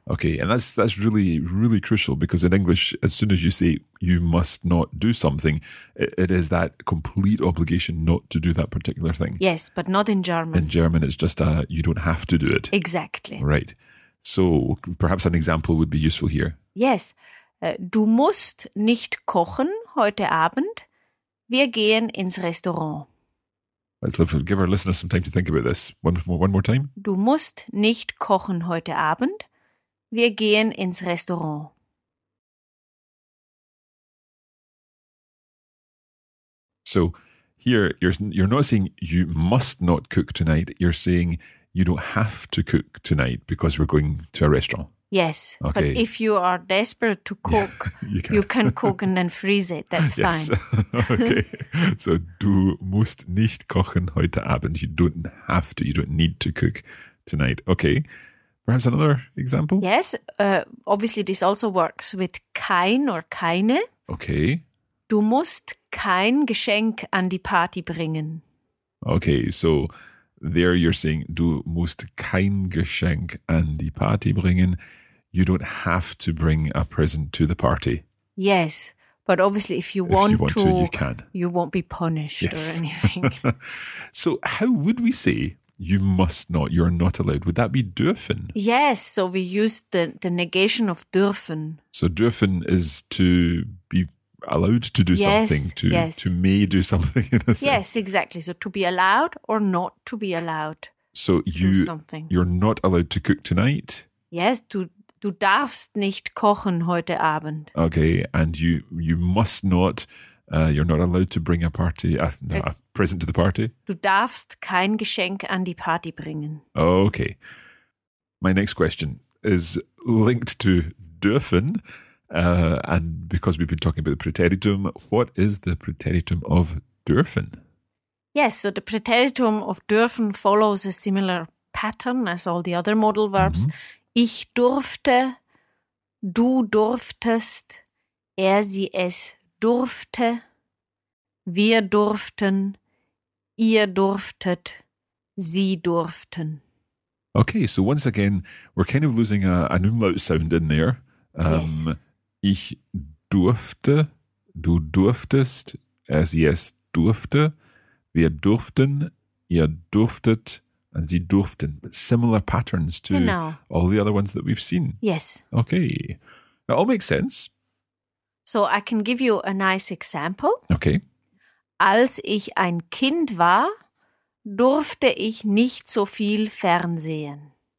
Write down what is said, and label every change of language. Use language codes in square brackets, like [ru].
[en] Okay, and that's really, really crucial because in English, as soon as you say you must not do something, it is that complete obligation not to do that particular thing. Yes, but not in German. In German, it's just you don't have to do it. Exactly. Right. So perhaps an example would be useful here. Yes. [de] Du musst nicht kochen heute Abend. Wir gehen ins Restaurant. [en] Let's give our listeners some time to think about this. One more time. [de] Du musst nicht kochen heute Abend. Wir gehen ins Restaurant. [en] So here you're not saying you must not cook tonight. You're saying you don't have to cook tonight because we're going to a restaurant. Yes, okay. But if you are desperate to cook, you can cook and then freeze it. That's fine. Okay. [de] So du musst nicht kochen heute Abend. [en] You don't have to. You don't need to cook tonight. Okay. Perhaps another example? Yes. Obviously, this also works with kein or keine. Okay. [de] Du musst kein Geschenk an die Party bringen. [en] Okay. So there you're saying, [de] du musst kein Geschenk an die Party bringen. [en] You don't have to bring a present to the party. Yes, but obviously if you want to, you can. You won't be punished yes. or anything. So how would we say, you must not, you're not allowed? Would that be dürfen? Yes, so we use the negation of dürfen. So dürfen is to be allowed to do something, to may do something. Yes, exactly. So to be allowed or not to be allowed. So you're not allowed to cook tonight. [de] Yes, du darfst nicht kochen heute Abend. [en] Okay, and you must not, you're not allowed to bring a present to the party. [de] Du darfst kein Geschenk an die Party bringen. [en] Okay. My next question is linked to dürfen. And because we've been talking about the preteritum, what is the preteritum of dürfen? Yes, so the preteritum of dürfen follows a similar pattern as all the other modal verbs. Mm-hmm. [de] Ich durfte, du durftest, er, sie, es durfte, wir durften, ihr durftet, sie durften. [en] Okay, so once again, we're kind of losing an umlaut sound in there. Yes. [de] Ich durfte, du durftest, er, sie, es durfte, wir durften, ihr durftet, and sie durften. [en] But similar patterns to all the other ones that we've seen. Yes. Okay. That all makes sense. So I can give you a nice example. Okay. [de] Als ich ein Kind war, durfte ich nicht so viel fernsehen.